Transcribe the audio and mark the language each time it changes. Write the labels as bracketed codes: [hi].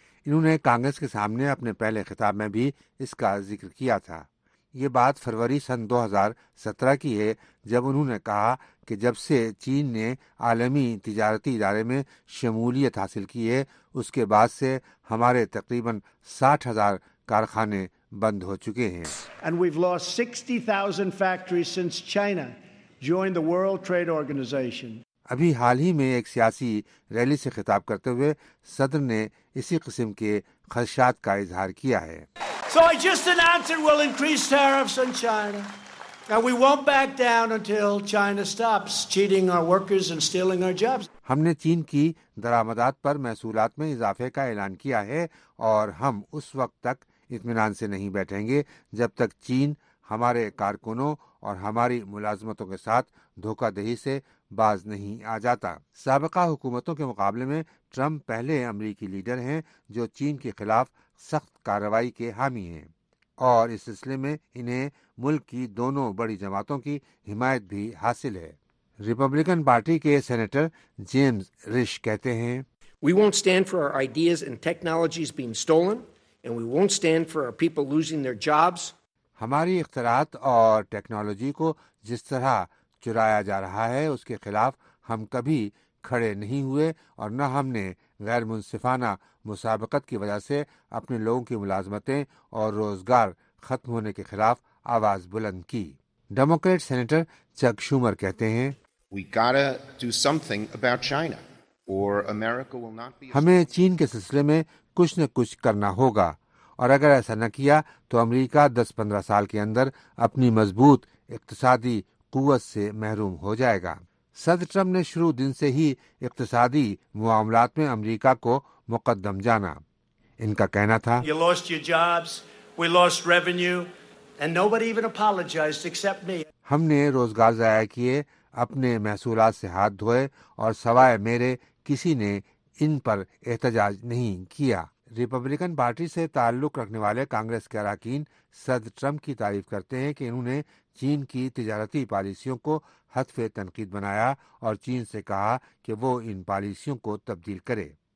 [ur] انہوں نے کانگریس کے سامنے اپنے پہلے خطاب میں بھی اس کا ذکر کیا تھا. یہ بات فروری سن 2017 کی ہے جب انہوں نے کہا کہ جب سے چین نے عالمی تجارتی ادارے میں شمولیت حاصل کی ہے اس کے بعد سے ہمارے تقریباً 60,000 کارخانے بند ہو چکے ہیں. [en] And we've lost 60,000 factories since China joined the World Trade Organization. [ur] ابھی حال ہی میں ایک سیاسی ریلی سے خطاب کرتے ہوئے صدر نے اسی قسم کے خدشات کا اظہار کیا ہے. [en] So I just announced we'll increase tariffs on China and we won't back down until China stops cheating our workers and stealing our jobs. [ur] ہم نے چین کی درآمدات پر محصولات میں اضافے کا اعلان کیا ہے اور ہم اس وقت تک اطمینان سے نہیں بیٹھیں گے جب تک چین ہمارے کارکنوں اور ہماری ملازمتوں کے ساتھ دھوکہ دہی سے باز نہیں آ جاتا. سابقہ حکومتوں کے مقابلے میں ٹرمپ پہلے امریکی لیڈر ہیں جو چین کے خلاف سخت کارروائی کے حامی ہیں، اور اس سلسلے میں انہیں ملک کی دونوں بڑی جماعتوں کی حمایت بھی حاصل ہے. ریپبلکن پارٹی کے سینیٹر جیمز رش کہتے ہیں، [en] We won't stand for our ideas and technologies being stolen and we won't stand for our people losing their jobs. [ur] ہماری اختراعات اور ٹیکنالوجی کو جس طرح چرایا جا رہا ہے اس کے خلاف ہم کبھی کھڑے نہیں ہوئے، اور نہ ہم نے غیر منصفانہ مسابقت کی وجہ سے اپنے لوگوں کی ملازمتیں اور روزگار ختم ہونے کے خلاف آواز بلند کی. ڈیموکریٹ سینیٹر چک شومر کہتے ہیں، [en] We gotta do something about China or America will not be... [ur] ہمیں چین کے سلسلے میں کچھ نہ کچھ کرنا ہوگا، اور اگر ایسا نہ کیا تو امریکہ 10-15 سال کے اندر اپنی مضبوط اقتصادی قوت سے محروم ہو جائے گا. صدر ٹرمپ نے شروع دن سے ہی اقتصادی معاملات میں امریکہ کو مقدم جانا. ان کا کہنا تھا، [en] You lost your jobs, we lost revenue, and nobody even apologized except me. [ur] ہم نے روزگار ضائع کیے، اپنے محصولات سے ہاتھ دھوئے، اور سوائے میرے کسی نے ان پر احتجاج نہیں کیا. ریپبلکن پارٹی سے تعلق رکھنے والے کانگریس کے اراکین صدر ٹرمپ کی تعریف کرتے ہیں کہ انہوں نے چین کی تجارتی پالیسیوں کو حتف تنقید بنایا اور چین سے کہا کہ وہ ان پالیسیوں کو تبدیل کرے.